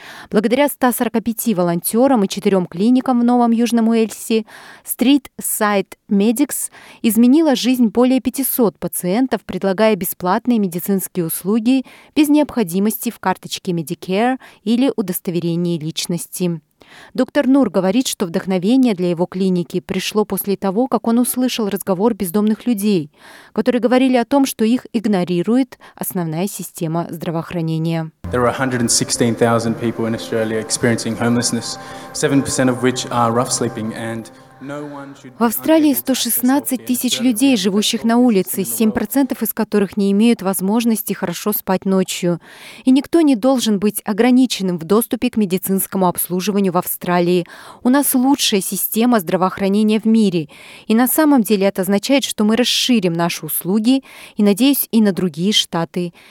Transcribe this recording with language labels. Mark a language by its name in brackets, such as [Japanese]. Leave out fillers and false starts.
[Russian] Благодаря 145 волонтерам и 4 клиникам в Новом Южном Уэльсе, Streetside Medics изменила жизнь более 500 пациентов, предлагая бесплатные медицинские услуги без необходимости в карточке Medicare или удостоверении личности. Доктор Нур говорит, что вдохновение для его клиники пришло после того, как он услышал разговор бездомных людей, которые говорили о том, что их игнорирует основная система здравоохранения. [English] There are 116,000 people in Australia experiencing homelessness, 7% of which are rough sleeping and... [Russian] В Австралии 116 тысяч людей, живущих на улице, 7% из которых не имеют возможности хорошо спать ночью. И никто не должен быть ограниченным в доступе к медицинскому обслуживанию в Австралии. У нас лучшая система здравоохранения в мире. И на самом деле это означает, что мы расширим наши услуги и, надеюсь, и на другие штаты.